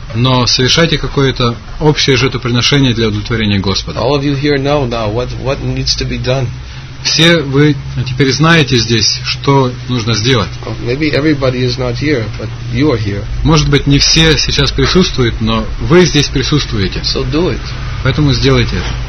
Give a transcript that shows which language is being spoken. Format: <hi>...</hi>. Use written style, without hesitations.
<ru>Но совершайте какое-то общее жертвоприношение для удовлетворения Господа.</ru> <en>All of you here know now what needs to be done.</en> <ru>Все вы теперь знаете здесь, что нужно сделать.</ru> <en>Maybe everybody is not here, but you are here.</en> <ru>Может быть, не все сейчас присутствуют, но вы здесь присутствуете.</ru> <en>So do it.</en> <ru>Поэтому сделайте это.</ru>